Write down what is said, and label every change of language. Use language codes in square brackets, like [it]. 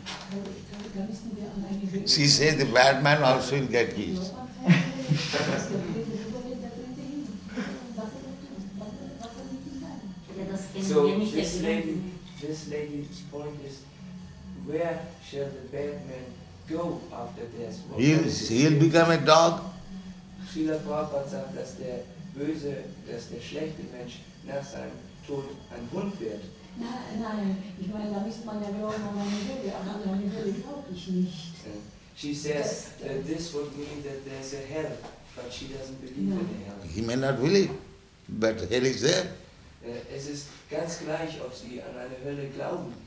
[en] She says that this would not be right if the bad man would get the same thing as the good. She says the bad man also will get peace. So this lady's point is, where shall the bad man go after this? He'll become a dog. [de] Srila Prabhupada sagt, dass der böse, dass der schlechte Mensch nach seinem Tod ein Hund wird. Nein, ich meine, da müsste man ja glauben, wenn man will, aber an eine Hölle glaube ich nicht. [en] She says, this would mean that there's a hell, but she doesn't believe in the hell. He may not believe, but hell is there. [de] Es ist ganz gleich, ob sie an eine Hölle glauben.